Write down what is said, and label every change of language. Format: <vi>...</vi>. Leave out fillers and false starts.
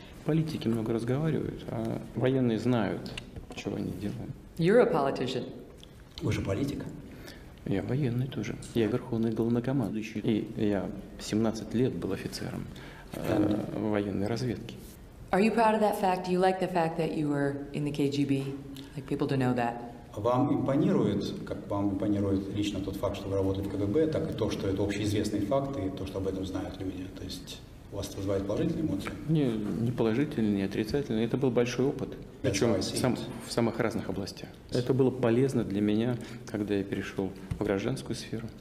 <ru>Политики много разговаривают, а военные знают, чего они делают.</ru> <en>You're a politician.</en> <ru>Вы же политик. Я военный тоже. Я верховный главнокомандующий. И я 17 лет был офицером военной разведки.</ru> <en>Are you proud of that fact? Do you like the fact that you were in the KGB? Like people to know that?</en> <ru>Вам импонирует, как вам импонирует лично тот факт, что вы работаете в КГБ, так и то, что это общеизвестный факт, и то, что об этом знают люди? То есть у вас это вызывает положительные эмоции? Не положительные, не отрицательные. Это был большой опыт, причем в самых разных областях. Это было полезно для меня, когда я перешел в гражданскую сферу.</ru>